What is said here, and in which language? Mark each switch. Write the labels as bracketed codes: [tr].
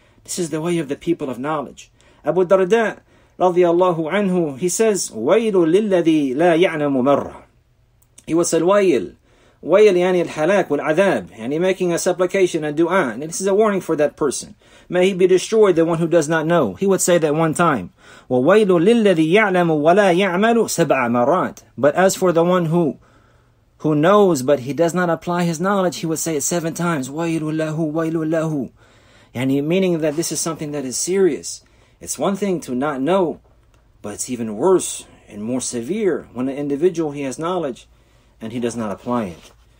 [en] This is the way of the people of knowledge. Abu Darda, radiallahu anhu, he says, [ar] وَيْلُ لِلَّذِي لَا يَعْنَمُ مَرَّ. [en] He was said, [ar] وَيْلُ. وَيْلُ يَعْنِي الْحَلَاكُ وَالْعَذَابُ. [en] And he making a supplication, a dua. And this is a warning for that person. May he be destroyed, the one who does not know. He would say that one time. [ar] وَيْلُ لِلَّذِي يَعْلَمُ وَلَا يَعْمَلُ سَبْعَ مَرَّاتٍ. [en] But as for the one who who knows but he does not apply his knowledge, he would say it 7 times. [ar] وَيْلُ لَهُ وَيْلُ لَهُ. [en] And he, meaning that this is something that is serious. It's one thing to not know, but it's even worse and more severe when an individual, he has knowledge and he does not apply it.